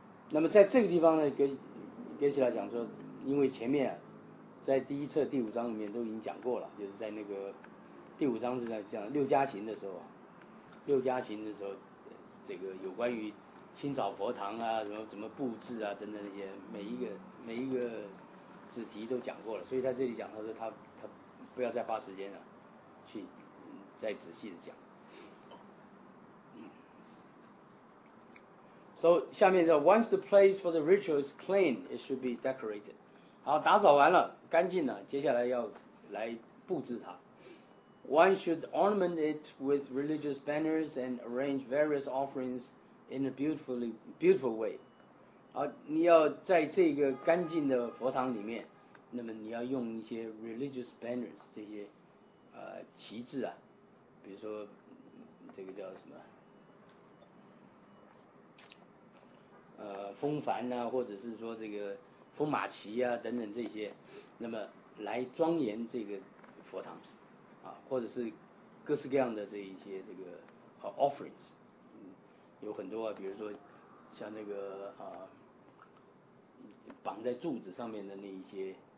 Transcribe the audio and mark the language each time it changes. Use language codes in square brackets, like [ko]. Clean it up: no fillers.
[zh] 那么在这个地方呢，给起来讲说，因为前面、啊、在第一册第五章里面都已经讲过了，就是在那个第五章是在讲六加行的时候啊，六加行的时候，这个有关于清扫佛堂啊，什么怎么布置啊等等那些，每一个子题都讲过了，所以在这里讲，他说他不要再花时间了、啊，去再仔细的讲。 [en] So, [zh] 下面的 [en] once the place for the ritual is clean, it should be decorated. [zh] 好，打扫完了，干净了，接下来要来布置它。 [en] One should ornament it with religious banners and arrange various offerings in a beautiful way. [zh] 好，你要在这个干净的佛堂里面，那么你要用一些 [en] religious banners, [zh] 这些旗帜啊，比如说这个叫什么风帆啊，或者是说这个风马旗啊等等这些，那么来庄严这个佛堂啊，或者是各式各样的这一些这个offerings、有很多啊，比如说像那个绑在柱子上面的那些